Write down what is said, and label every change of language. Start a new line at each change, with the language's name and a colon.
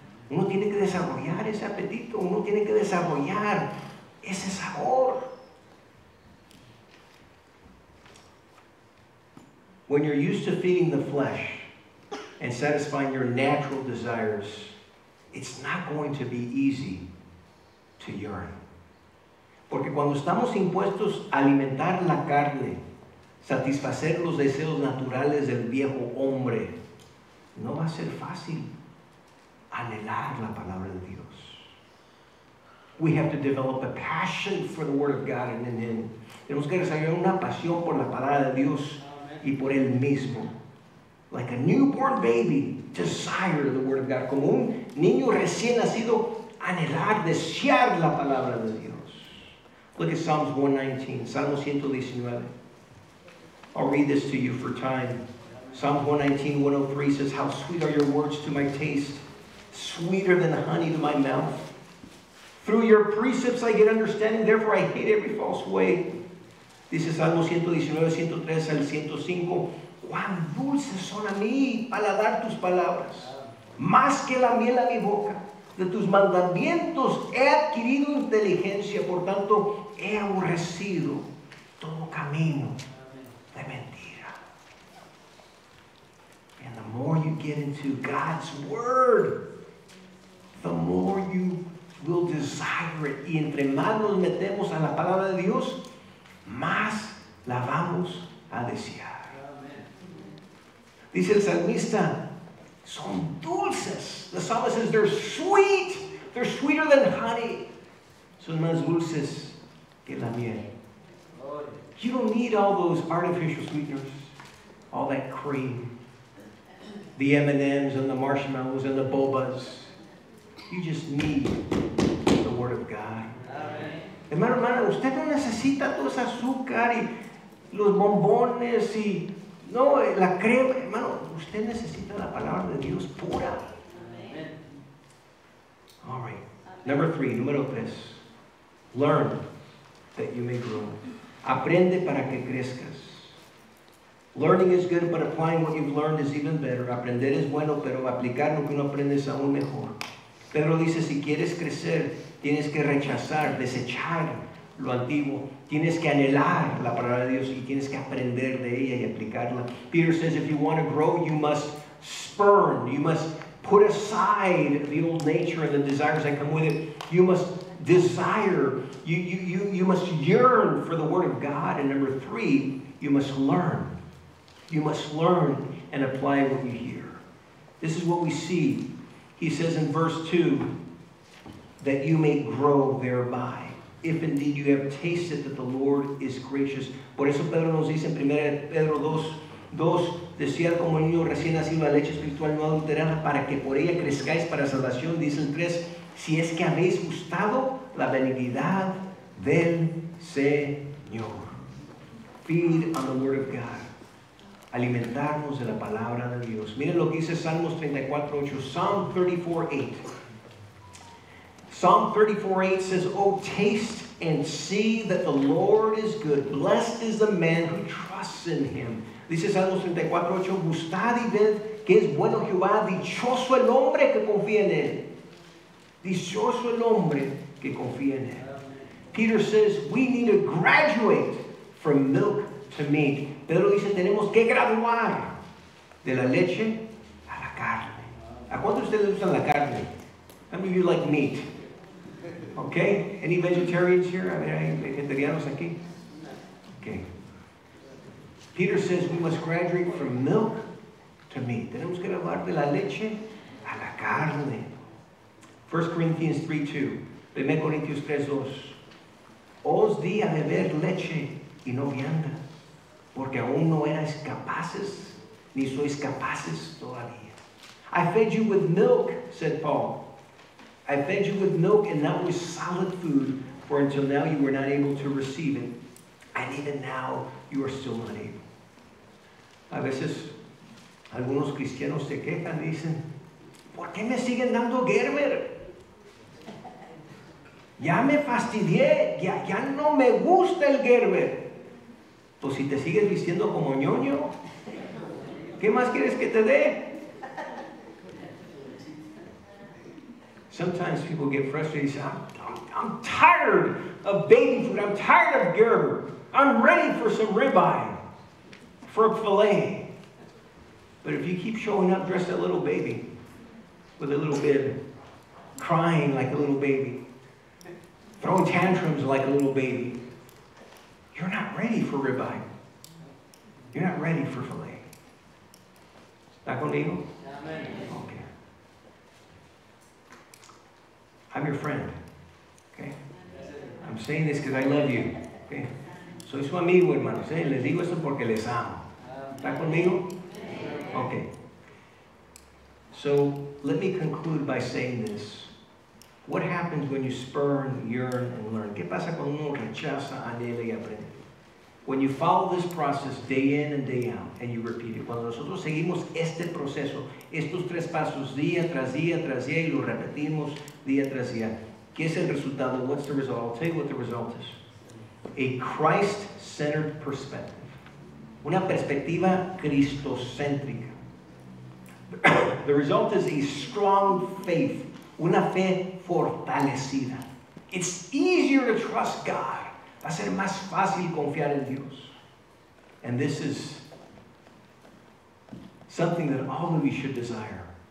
Spanish: Uno tiene que desarrollar ese apetito. Uno tiene que desarrollar ese sabor.
English: When you're used to feeding the flesh and satisfying your natural desires, it's not going to be easy to yearn.
Spanish: Porque cuando estamos impuestos a alimentar la carne, satisfacer los deseos naturales del viejo hombre, no va a ser fácil anhelar la palabra de Dios.
English: We have to develop a passion for the Word of God and in Him.
Spanish: Tenemos que desarrollar una pasión por la palabra de Dios y por Él mismo.
English: Like a newborn baby, desire the Word of God.
Spanish: Como un niño recién nacido, anhelar, desear la palabra de Dios.
English: Look at Psalms 119, Salmo 119. I'll read this to you for time. Psalms 119, 103 says, how sweet are your words to my taste, sweeter than honey to my mouth. Through your precepts I get understanding, therefore I hate every false way.
Spanish: Dice Salmo 119, 103 al 105. Cuán dulces son a mí paladar tus palabras, más que la miel a mi boca. De tus mandamientos he adquirido inteligencia, por tanto he aborrecido todo camino de mentira.
English: And the more you get into God's word, the more you will desire it.
Spanish: Y entre más nos metemos a la palabra de Dios, más la vamos a desear. Dice el salmista, son dulces.
English: The psalmist says, they're sweet. They're sweeter than honey.
Spanish: Son más dulces que la miel.
English: You don't need all those artificial sweeteners, all that cream, the M&Ms and the marshmallows and the bobas. You just need the Word of God.
Spanish: Hermano, hermano, usted no necesita todo ese azúcar y los bombones y... No, la crema, hermano, usted necesita la palabra de Dios pura.
English: Amen. All right. Number three,
Spanish: número tres.
English: Learn that you may grow.
Spanish: Aprende para que crezcas.
English: Learning is good, but applying what you've learned is even better.
Spanish: Aprender es bueno, pero aplicar lo que uno aprende es aún mejor. Pedro dice, si quieres crecer, tienes que rechazar, desechar lo antiguo. Tienes que anhelar la palabra de Dios y tienes que aprender de ella y aplicarla.
English: Peter says, if you want to grow, you must spurn. You must put aside the old nature and the desires that come with it. You must desire. You must yearn for the Word of God. And number three, you must learn. You must learn and apply what you hear. This is what we see. He says in verse 2, that you may grow thereby. If indeed you have tasted that the Lord is gracious.
Spanish: Por eso Pedro nos dice en 1 Pedro 2:2, decía como niño recién nacido la leche espiritual no adulterada para que por ella crezcáis para salvación. Dice el 3, si es que habéis gustado la benignidad del Señor.
English: Feed on the Word of God.
Spanish: Alimentarnos de la palabra de Dios. Miren lo que dice Salmos 34:8, Psalm 34:8.
English: Psalm 34:8 says, oh, taste and see that the Lord is good. Blessed is the man who trusts in him.
Spanish: Dice Salmos 34:8, gustad y ved que es bueno Jehová, dichoso el hombre que confía en él. Dichoso el hombre que confía en él.
English: Peter says, we need to graduate from milk to meat.
Spanish: Pedro dice, tenemos que graduar de la leche a la carne. ¿A cuánto ustedes usan la carne?
English: How many of you like meat? Okay, any vegetarians here?
Spanish: A ver, ¿hay vegetarianos aquí?
English: Okay. Peter says we must graduate from milk to meat.
Spanish: Tenemos que hablar de la leche a la carne. 1 Corinthians 3:2. 1 Corintios 3:2. Os di a beber leche y no vianda, porque aún no erais capaces ni sois capaces todavía.
English: I fed you with milk, said Paul. I fed you with milk, and that was solid food, for until now you were not able to receive it, and even now you are still not able.
Spanish: A veces, algunos cristianos se quejan y dicen, ¿por qué me siguen dando Gerber? Ya me fastidié, ya no me gusta el Gerber. Pues si te sigues vistiendo como ñoño, ¿qué más quieres que te dé?
English: Sometimes people get frustrated and say, I'm tired of baby food. I'm tired of Gerber. I'm ready for some ribeye, for a filet. But if you keep showing up dressed a little baby, with a little bib, crying like a little baby, throwing tantrums like a little baby, you're not ready for ribeye. You're not ready for filet.
Spanish: ¿Está conmigo?
English: Amen. Okay. I'm your friend, okay? I'm saying this because I love you, okay?
Spanish: Soy su amigo, hermanos, ¿eh? Les digo esto porque les amo. ¿Está conmigo? Okay.
English: So, let me conclude by saying this. What happens when you spurn, yearn, and learn?
Spanish: ¿Qué pasa cuando uno rechaza, anhela y aprende?
English: When you follow this process day in and day out, and you repeat it.
Spanish: Cuando nosotros seguimos este proceso, estos tres pasos día tras día tras día, y lo repetimos día tras día. ¿Qué es el resultado?
English: What's the result? I'll tell you what the result is. A Christ-centered perspective.
Spanish: Una perspectiva cristocéntrica.
English: The result is a strong faith.
Spanish: Una fe fortalecida.
English: It's easier to trust God.
Spanish: Va a ser más fácil confiar en Dios.
English: And this is something that all of you should desire.